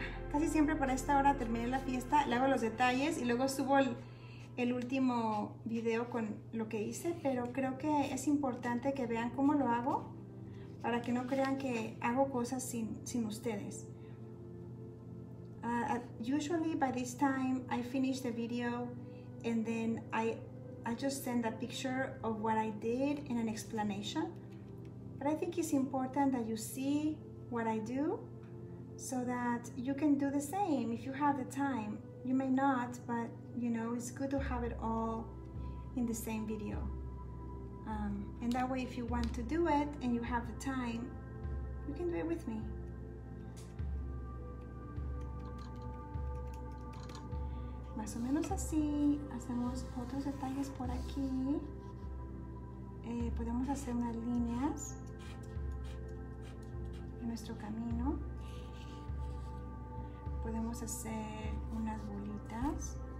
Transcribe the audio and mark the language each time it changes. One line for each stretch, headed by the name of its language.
Spanish: Casi siempre para esta hora terminé la fiesta, le hago los detalles y luego subo el último video con lo que hice, pero creo que es importante que vean cómo lo hago para que no crean que hago cosas sin ustedes.
English: Usually by this time I finish the video and then I just send a picture of what I did and an explanation. But I think it's important that you see what I do so that you can do the same if you have the time. You may not, but you know, it's good to have it all in the same video. And that way, if you want to do it and you have the time, you can do it with me.
Spanish: Más o menos así, hacemos otros detalles por aquí. Podemos hacer unas líneas en nuestro camino. Podemos hacer unas bolitas.